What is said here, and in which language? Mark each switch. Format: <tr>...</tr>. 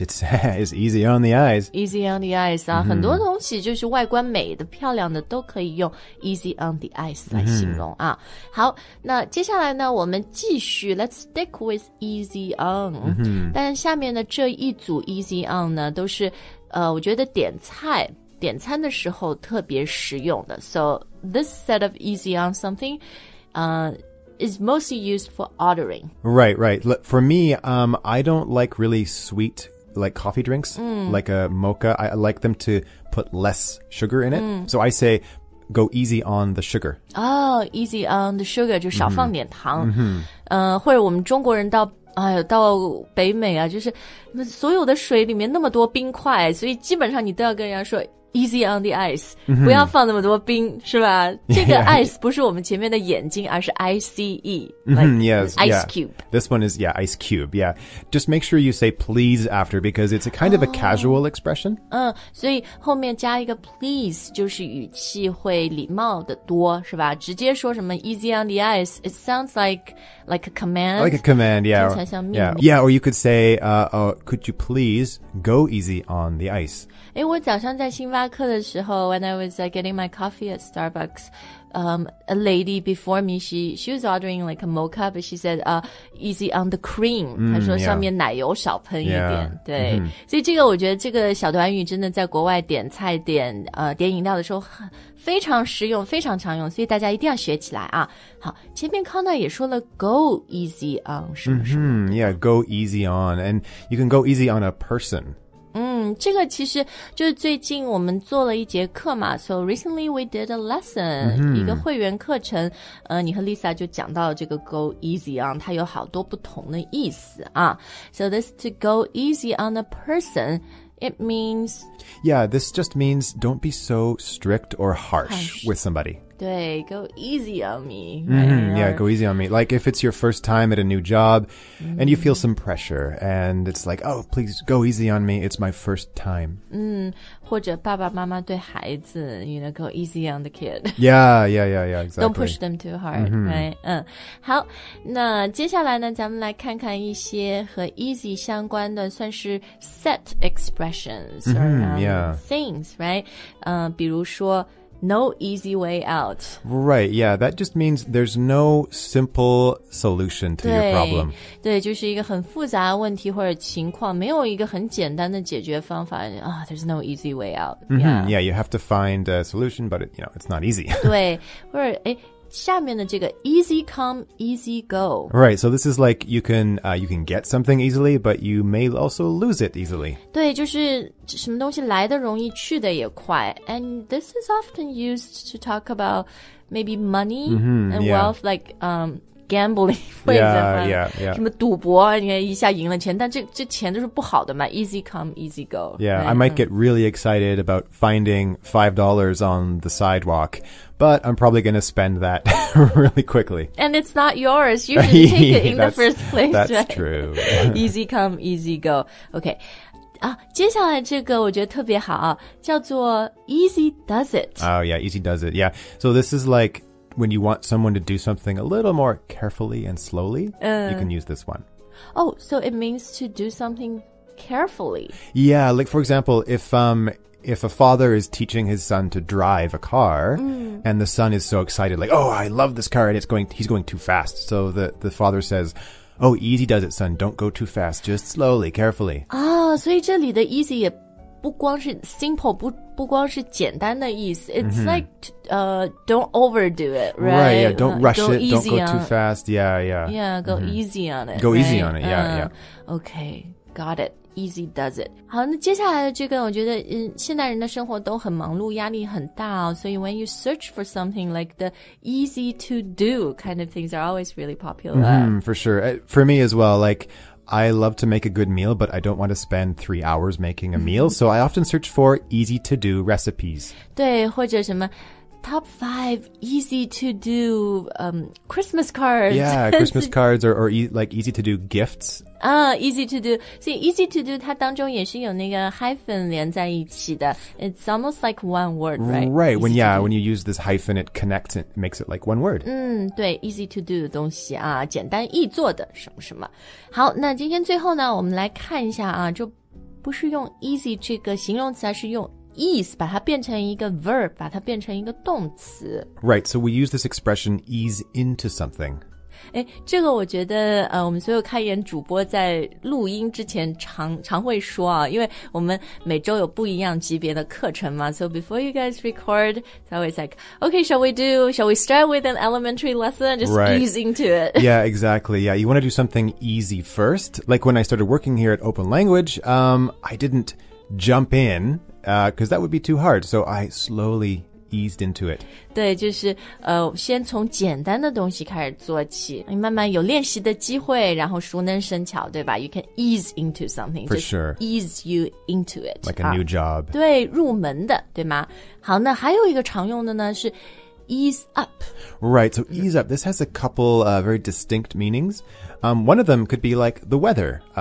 <en>It's easy on the eyes. Easy on the eyes.</en> <zh>啊、很多东西就是外观美的漂亮的都可以用 easy on the eyes 来形容啊。好，那接下来呢我们继续</zh> <en>let's stick with easy on.</en> <zh>但下面的这一组 easy on 呢都是我觉得点餐的时候特别实用的。</zh> <en>So,This set of easy on something is mostly used for ordering. Right. For me, I don't like really sweet like coffee drinks, like a mocha, I like them to put less sugar in it. So I say, go easy on the sugar. Oh, easy on the sugar,</en> <zh>就少放点糖。或者我们中国人到哎呦到北美啊，就是所有的水里面那么多冰块，所以基本上你都要跟人家说</zh> <en>Easy on the ice,、</en> <zh>不要放那么多冰是吧、这个 ice 不是我们前面的眼睛而是 ICE,、</zh> <en>yes, ice、 yeah. cube. This one is, yeah, ice cube, yeah. Just make sure you say please after because it's a kind of a casual expression.</en> <zh>所以后面加一个 please 就是语气会礼貌的多是吧直接说什么</zh> <en>easy on the ice, it sounds like a command. Like a command, yeah.</en> <zh>听起来像命令</zh> <en>yeah, or you could say,、could you please go easy on the ice?</en> <zh>哎，我早上在星巴克的时候</zh> <en>，when I was、getting my coffee at Starbucks, a lady before me, she was ordering like a mocha, but she said, easy on the cream.、</en> <zh>她说上面奶油少喷一点。</zh> <en>Yeah.</en> <zh>对， mm-hmm. 所以这个我觉得这个小短语真的在国外点菜点点饮料的时候非常实用，非常常用，所以大家一定要学起来啊！好，前面康娜也说了 ，go easy on 什么什么、 mm-hmm.</zh> <en>，yeah, go easy on, and you can go easy on a person.</en> <zh>这个其实就是最近我们做了一节课嘛</zh> <en>So recently we did a lesson、</en> <zh>一个会员课程你和 Lisa 就讲到这个 go easy on 它有好多不同的意思啊</zh> <en>So this to go easy on a person It means Yeah, this just means don't be so strict or harsh with somebody</en> <zh>对 go easy on me、</zh> <en>Yeah, go easy on me Like if it's your first time at a new job、And you feel some pressure And it's like, oh, please go easy on me It's my first time</en> <zh>或者爸爸妈妈对孩子</zh> <en>You know, go easy on the kid Yeah, exactly Don't push them too hard、</en> <zh>好那接下来呢咱们来看看一些和</zh> <en>easy</en> <zh>相关的算是</zh> <en>set expressions things, right、</en> <zh>比如说</zh> <en>No easy way out. Right, yeah, that just means there's no simple solution to your problem.</en> <zh>对，就是一个很复杂的问题或者情况，没有一个很简单的解决方法。</zh> <en>There's no easy way out. Yeah, you have to find a solution, but you know, it's not easy.</en> <zh>对，或者下面的这个 easy come, easy go.</zh> <en>Right, so this is like you can get something easily, but you may also lose it easily.</en> <zh>对，就是什么东西来得容易，去得也快。</zh> <en>And this is often used to talk about maybe money and wealth, like gambling. Yeah.</en> <zh>什么赌博，你看一下赢了钱，但这钱都是不好的嘛。</zh> <en>Easy come, easy go. Yeah, I might get really excited about finding $5 on the sidewalk. But I'm probably going to spend that really quickly. And it's not yours. You should take it in the first place. That's、 right? true. easy come, easy go. Okay.</en> <zh>接下来这个我觉得特别好、叫做 easy does it.</zh> <en>Oh, yeah. Easy does it. Yeah. So this is like when you want someone to do something a little more carefully and slowly,、you can use this one. Oh, so it means to do something carefully. Yeah. Like, for example, if a father is teaching his son to drive a car、and the son is so excited, like, oh, I love this car and he's going too fast. So the father says, oh, easy does it, son. Don't go too fast. Just slowly, carefully. Oh, so here the easy</en> <zh>也不光是 simple, 不光是简单的意思。</zh> <en>It's like, don't overdo it, right? Right, yeah, don't rush it. Don't go too fast. Yeah. Yeah, go easy on it. Go、 right? easy on it, yeah. Okay, got it. Easy does it.</en> <zh>好，那接下来的这个，我觉得，现代人的生活都很忙碌，压力很大哦。</zh> <en>所以 when you search for something like the easy to do kind of things are always really popular. For sure. For me as well, like, I love to make a good meal, but I don't want to spend 3 hours making a meal. So I often search for easy to do recipes. 对，或者什么Top 5 easy to do Christmas cards. Yeah, Christmas cards or like easy to do gifts. Easy to do. See, easy to do,</en> <zh>它当中也是有那个</zh> <en>hyphen</en> <zh>连在一起的</zh> <en>It's almost like one word, right? Right, when you use this hyphen, it connects it, makes it like one word.</en> <zh>对 easy to do 的东西啊简单易做的什么什么。好那今天最后呢我们来看一下啊就不是用 easy 这个形容词而是用Ease, 把它变成一个 verb, 把它变成一个动词。</zh> <en>Right, so we use this expression ease into something.</en> <zh>哎，这个我觉得我们所有开言主播在录音之前常会说啊，因为我们每周有不一样级别的课程嘛。</zh> <en>So before you guys record, it's always like, okay, shall we start with an elementary lesson? Just ease into it. Yeah, exactly. Yeah, you want to do something easy first. Like when I started working here at Open Language, I didn't jump in, because that would be too hard. So I slowly... eased into it.</en> <zh>对，就是先从简单的东西开始做起，你慢慢有练习的机会，然后熟能生巧，对吧？</zh> <en>You can ease into something. For sure. Ease you into it. Like a new job.</en> <zh>对，入门的，对吗？好，那还有一个常用的呢，是 ease up.</zh> <en>Right, so ease up. This has a couple very distinct meanings. One of them could be like the weather.</en>